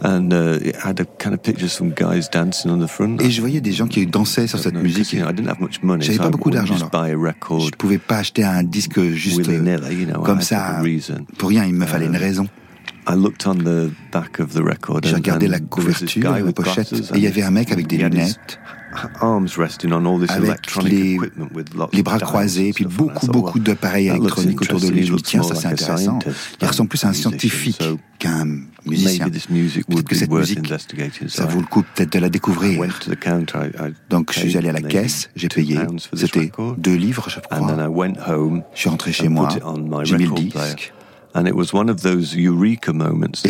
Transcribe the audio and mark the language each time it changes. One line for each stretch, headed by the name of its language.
English: And had a kind of picture of some guys dancing on the front.
French: Et je voyais des gens qui dansaient sur cette musique.
English: You know, I didn't have much money.
French: J'avais pas beaucoup d'argent. Alors. Je pouvais pas acheter un disque juste comme ça. Pour rien, il me fallait une raison.
English: I looked on the back of the record.
French: J'ai regardé la couverture, la pochette, et il y avait un mec avec des lunettes,
English: arms resting on all this electronic equipment with lots of
French: les bras croisés, et puis beaucoup d'appareils électroniques autour de lui. Je me dis, tiens, ça c'est intéressant. Il ressemble plus à un scientifique qu'à un musicien. Peut-être que cette musique, ça vaut le coup peut-être de la découvrir. Donc je suis allé à la caisse, j'ai payé, c'était 2 livres, je crois.
English: And then I went home,
French: je suis rentré chez moi, j'ai mis le disque.
English: And it was one of those eureka moments that